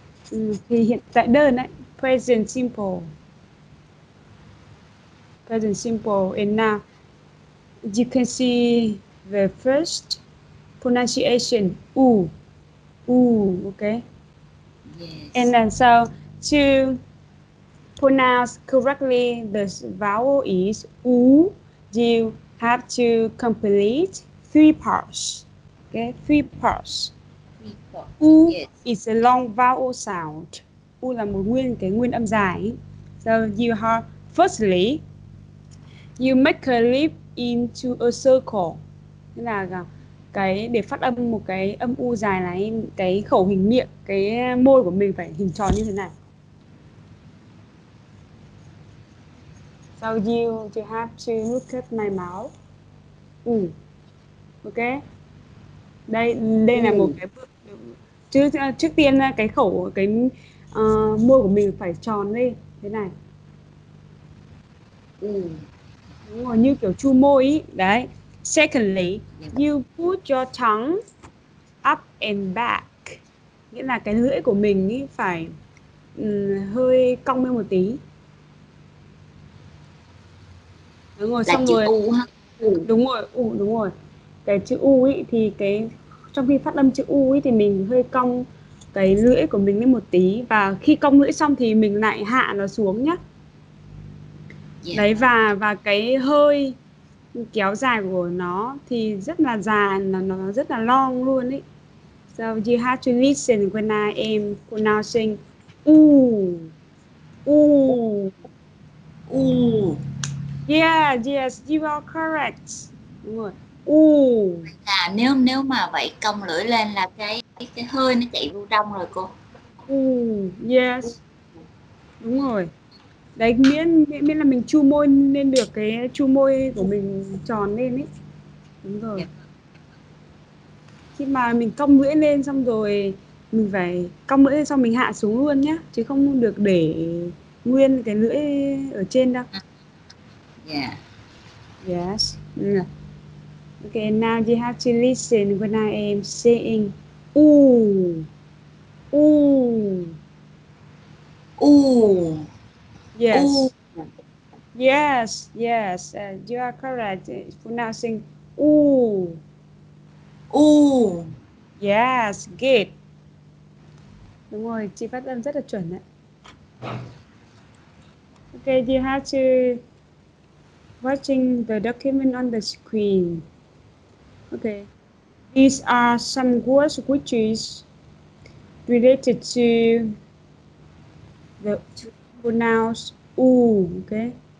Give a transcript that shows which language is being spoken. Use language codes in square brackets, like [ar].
[vi] thì hiện tại đơn ấy, present simple. [en] And now you can see the first pronunciation u, okay. Yes. And then so to pronounce correctly the vowel is u, you have to complete three parts. U yes. is a long vowel sound. [vi] U là một nguyên cái nguyên âm dài. [en] So you have, firstly, you make a leap into a circle. [vi] Thế là cái để phát âm một cái âm u dài này, cái khẩu hình miệng, cái môi của mình phải hình tròn như thế này. [en] So you have to look at my mouth. [vi] Ừ. Ok. Đây đây là một cái bước trước tiên cái khẩu cái môi của mình phải tròn đi thế này. Đúng rồi, như kiểu chu môi ý. Đấy. [en] Secondly, you put your tongue up and back. [vi] Nghĩa là cái lưỡi của mình ý phải hơi cong lên một tí. Đúng rồi, là xong chữ rồi. U ha. U. Đúng rồi, u đúng rồi. Cái chữ u ý thì cái trong khi phát âm chữ u ý thì mình hơi cong cái lưỡi của mình lên một tí và khi cong lưỡi xong thì mình lại hạ nó xuống nhá. [en] Yeah. [vi] Đấy và cái hơi kéo dài của nó thì rất là dài, nó rất là long luôn ý. [en] So you have to listen when I am pronouncing u. U. U. Yeah, yes, you are correct. [vi] Đúng rồi. [en] U. [vi] À, nếu nếu mà vậy cong lưỡi lên là cái hơi nó chạy vô trong rồi cô. U. [en] Yes. [vi] Đúng rồi. Đấy miễn là mình chu môi nên được cái chu môi của mình tròn lên ấy. Đúng rồi. Khi mà mình cong lưỡi lên xong rồi mình phải cong lưỡi lên xong mình hạ xuống luôn nhá, chứ không được để nguyên cái lưỡi ở trên đâu. [en] Yeah. Yes. Yeah. Okay, now you have to listen when I am saying ooh. Ooh. Ooh. Yes. Ooh. Yes, yes. You are correct. Pronouncing ooh. Ooh. Yes, good. [vi] Đúng rồi, chị phát âm rất là chuẩn đấy. [en] Okay, you have to watching the document on the screen. Okay. These are some words which is related to the pronouns ooh, okay.